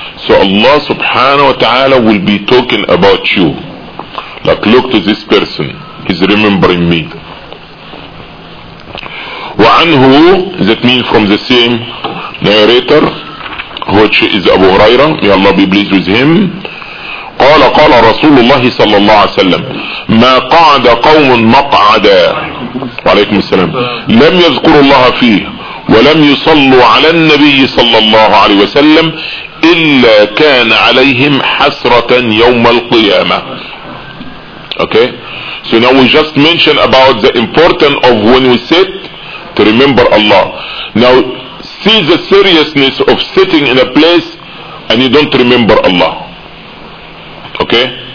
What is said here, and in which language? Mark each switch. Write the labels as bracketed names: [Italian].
[English] So Allah subhanahu wa ta'ala will be talking about you. Like, look to this person, he's remembering me. [Arabic] وعنه, [English] that means from the same narrator, which is Abu Huraira, may Allah be pleased with him. [Arabic] قال قال رسول الله صلى الله عليه وسلم ما قعد قوم مقعدا عليكم السلام لم يذكروا الله فيه ولم يصلوا على النبي صلى الله عليه وسلم إلا كان عليهم حسرة يوم القيامة. [English] Okay, so now we just mentioned about the importance of when we sit to remember Allah. Now see the seriousness of sitting in a place and you don't remember Allah. Okay?